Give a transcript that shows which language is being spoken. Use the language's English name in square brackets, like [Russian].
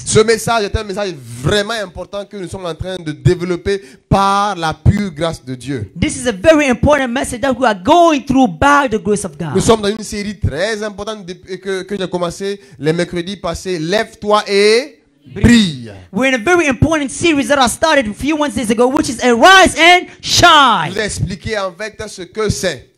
[French] Ce message est un message vraiment important que nous sommes en train de développer par la pure grâce de Dieu. [English] This is a very important message that we are going through by the grace of God. [French] Nous sommes dans une série très importante que j'ai commencé les mercredis passés. Lève-toi et brille. [English] We're in a very important series that I started a few Wednesdays ago, which is Arise and Shine. [French] Je vous ai expliqué en fait ce que c'est.